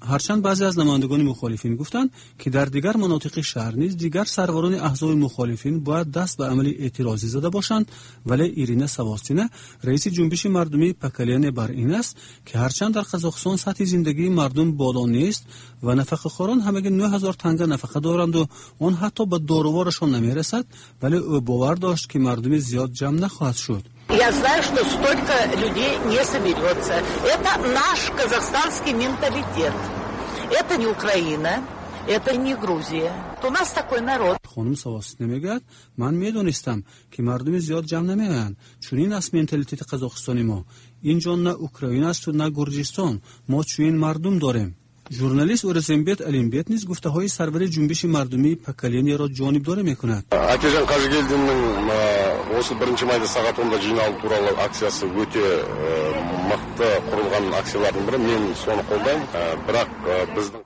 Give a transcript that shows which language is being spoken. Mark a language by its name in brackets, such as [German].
[Persian] هرچند بعضی از نمایندگان مخالفین گفتند که در دیگر مناطق شهر نیز دیگر سروران احزاب مخالفین باید دست به عمل اعتراضی زده باشند، ولی ایرینا سواستینا رئیس جنبش مردمی پکلیان بر این است که هرچند در قزاقستان سطح زندگی مردم بالا نیست و نفخه‌خوران همگی 9000 تنگه نفقه دارند و آن حتی به دوروارشان نمی‌رسد، ولی او باور داشت که مردم زیاد جمع نخواهد شد. [Russian] Я знаю, что столько людей не соберется. Это наш казахстанский менталитет. Это не Украина, это не Грузия. У нас такой народ. [Tajik] Хоним савосне мегад, ман медонистам, ки мардуми зиёд ҷам намеянд. Чун ин аст менталитети Қазоқистони мо. Инҷо на Украина аст, на Гурҷистон. Мо чун ин мардум дорем. Журналист Орзембет Олимбет низ гуфтаҳои сарвари ҷунбиши мардуми Пакалиониро ҷонибдор мекунад. [Kazakh] Акажон Қазгелдиннинг осы 1-чи майда саат 10-да жиналу туралы акциясы өте мықты құрылған акциялардың бірі. Мен соны қолдаймын, бірақ біздің